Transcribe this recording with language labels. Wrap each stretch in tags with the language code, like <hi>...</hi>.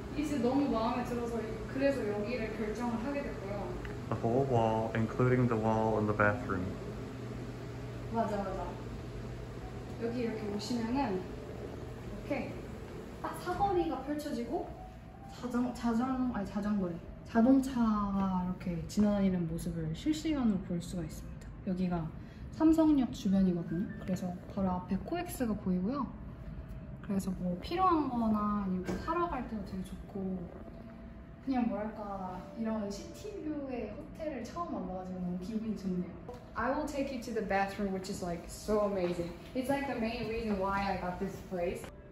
<ko>이제 너무 마음에 들어서 그래서 여기를 결정을 하게 됐고요.</ko> <en>The whole wall, including the wall and the bathroom.</en> <ko>맞아, 맞아. 여기 이렇게 오시면은 이렇게 딱 사거리가 펼쳐지고 자전거래 자동차가 이렇게 지나다니는 모습을 실시간으로 볼 수가 있습니다. 여기가 삼성역 주변이거든요. 그래서 바로 앞에 코엑스가 보이고요. 그래서 뭐 필요한 거나 아니면 사러 갈 때도 되게 좋고 그냥 뭐랄까 이런 시티뷰의 호텔을 처음 만나가지고 너무 기분이 좋네요.</ko> <en>I will take you to the bathroom which is like so amazing. It's like the main reason why I got this place.</en>